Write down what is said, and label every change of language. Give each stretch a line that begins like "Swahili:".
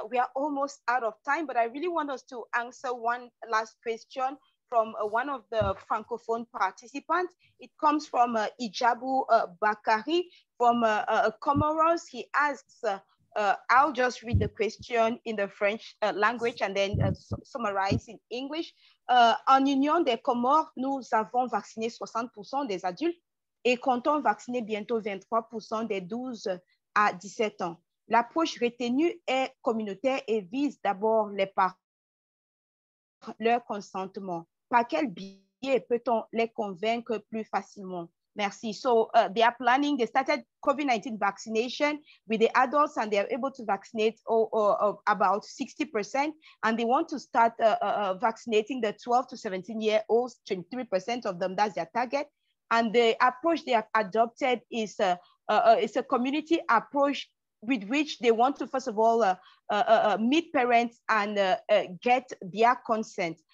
English: We are almost out of time, but I really want us to answer one last question from one of the Francophone participants. It comes from Ijabu Bakari from Comoros. He asks, I'll just read the question in the French language and then summarize in English.
French: En Union des Comores, nous avons vacciné 60% des adultes et comptons vacciner bientôt 23% des 12 à 17 ans. L'approche retenue est communautaire et vise d'abord les parents, leur consentement. Par quel biais peut-on les convaincre plus facilement? Merci.
English: So they are planning, they started COVID-19 vaccination with the adults, and they are able to vaccinate about 60%. And they want to start vaccinating the 12 to 17 year olds, 23% of them, that's their target. And the approach they have adopted is it's a community approach with which they want to, first of all, meet parents and get their consent.